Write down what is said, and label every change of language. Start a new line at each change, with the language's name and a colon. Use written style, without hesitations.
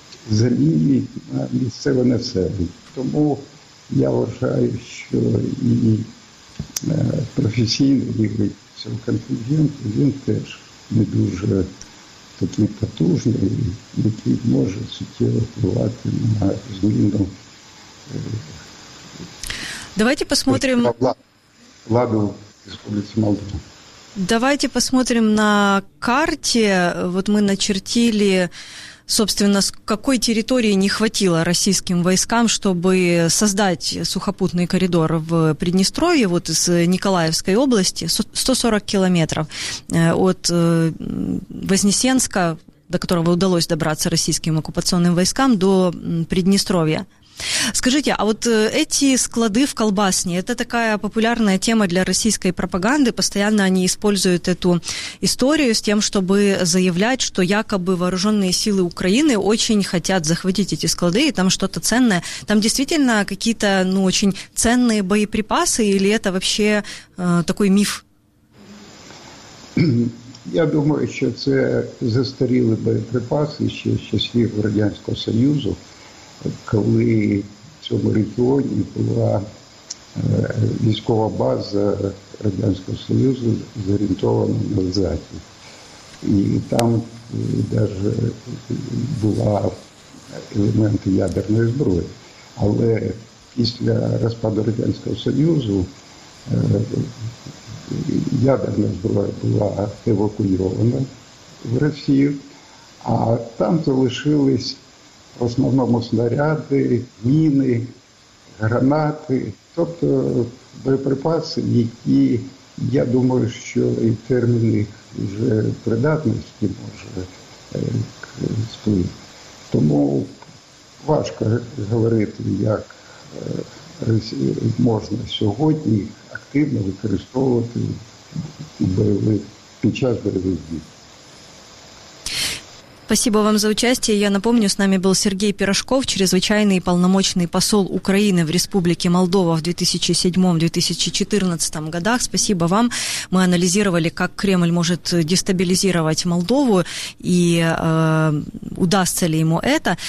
Ukrainian: заміни на місцеве населення. Тому я вважаю, що і професійний цього контингенту, він теж не дуже такий потужний, який може суттєво впливати на зміну.
Russian: Давайте посмотрим.
Ukrainian: Владу Республіки Молдова.
Russian: Давайте посмотрим на карте. Вот мы начертили, собственно, с какой территории не хватило российским войскам, чтобы создать сухопутный коридор в Приднестровье, вот из Николаевской области, 140 километров от Вознесенска, до которого удалось добраться российским оккупационным войскам, до Приднестровья. Скажите, а вот эти склады в Колбасне, это такая популярная тема для российской пропаганды, постоянно они используют эту историю с тем, чтобы заявлять, что якобы вооруженные силы Украины очень хотят захватить эти склады, и там что-то ценное. Там действительно какие-то, ну, очень ценные боеприпасы, или это вообще такой миф? Я думаю, что это застарелые боеприпасы еще с часов
Ukrainian: Радянского Союза. Коли в цьому регіоні була військова база Радянського Союзу, зорієнтована на Заході. І там навіть була елементи ядерної зброї. Але після розпаду Радянського Союзу ядерна зброя була евакуйована в Росію, а там залишились в основному снаряди, міни, гранати, тобто боєприпаси, які, я думаю, що і термін їх вже придатності може сплити. Тому важко говорити, як можна сьогодні активно використовувати під час бойових дій.
Russian: Спасибо вам за участие. Я напомню, с нами был Сергей Пирожков, чрезвычайный полномочный посол Украины в Республике Молдова в 2007-2014 годах. Спасибо вам. Мы анализировали, как Кремль может дестабилизировать Молдову и удастся ли ему это.